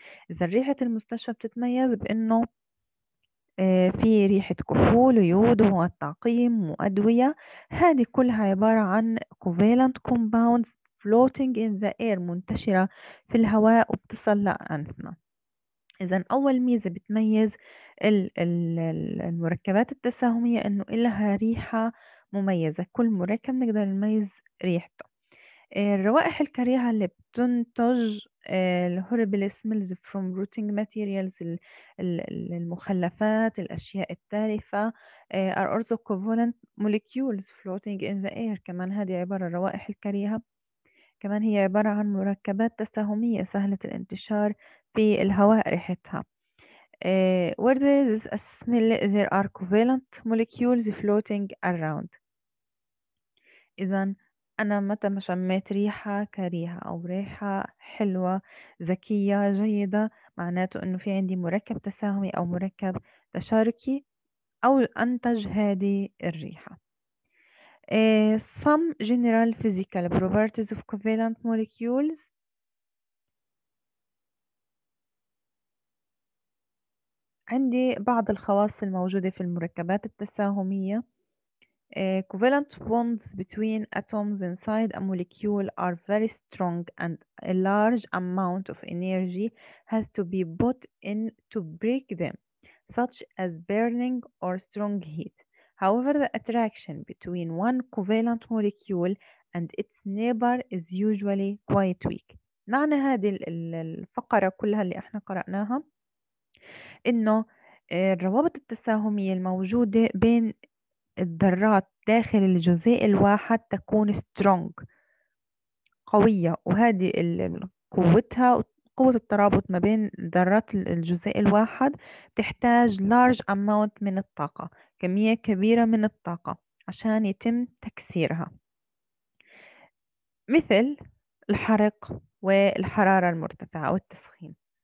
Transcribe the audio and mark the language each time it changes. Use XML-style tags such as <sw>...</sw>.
<ar>اذا ريحة المستشفى بتتميز بانه في ريحة كحول ويود ومواد تعقيم وأدوية، هذه كلها عبارة عن</ar> <en>covalent compounds floating in the air،</en> <ar>منتشرة في الهواء وبتصل لأنفنا. إذا أول ميزة بتميز المركبات التساهمية إنه إلها ريحة مميزة، كل مركب نقدر نميز ريحته. الروائح الكريهة اللي بتنتج</ar> <en>الهوربل smells from rotting materials،</en> <ar>المخلفات، الأشياء التالفة،</ar> <en>are also covalent molecules floating in the air.</en> <ar>كمان هذه عبارة الروائح الكريهة، كمان هي عبارة عن مركبات تساهمية سهلة الانتشار في الهواء ريحتها.</ar> <en>Where there is a smell, there are covalent molecules floating around.</en> <ar>إذن أنا متى ما شميت ريحة كريهة أو ريحة حلوة ذكية جيدة، معناته إنه في عندي مركب تساهمي أو مركب تشاركي أو أنتج هذه الريحة.</ar> <en>Some general physical properties of covalent molecules.</en> <ar>عندي بعض الخواص الموجودة في المركبات التساهمية.</ar> <en>Covalent bonds between atoms inside a molecule are very strong and a large amount of energy has to be put in to break them, such as burning or strong heat. However, the attraction between one covalent molecule and its neighbor is usually quite weak.</en> <ar>معنى هذه الفقرة كلها اللي احنا قرأناها انه الروابط التساهمية الموجودة بين الذرات داخل الجزيء الواحد تكون strong، قوية، وهذه قوتها وقوة الترابط ما بين ذرات الجزيء الواحد تحتاج</ar> <en>large amount</en> <ar>من الطاقة، كمية كبيرة من الطاقة عشان يتم تكسيرها، مثل الحرق والحرارة المرتفعة والتسخين.</ar>